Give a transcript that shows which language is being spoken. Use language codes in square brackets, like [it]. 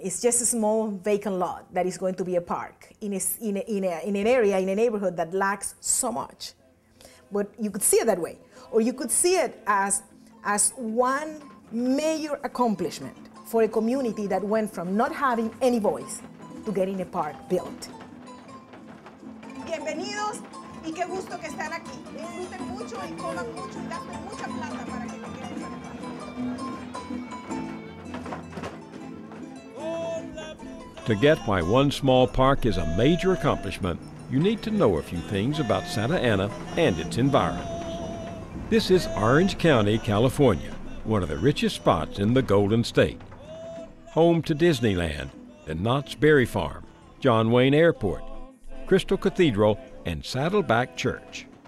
[en] It's just a small vacant lot that is going to be a park in a neighborhood that lacks so much. But you could see it that way. Or you could see it as one major accomplishment for a community that went from not having any voice to getting a park built. [es] Bienvenidos y qué gusto que están aquí. Disfruten mucho y coman mucho y gasten mucha plata para que lo quieran. [en] To get why one small park is a major accomplishment, you need to know a few things about Santa Ana and its environs. This is Orange County, California, one of the richest spots in the Golden State. Home to Disneyland, the Knott's Berry Farm, John Wayne Airport, Crystal Cathedral, and Saddleback Church.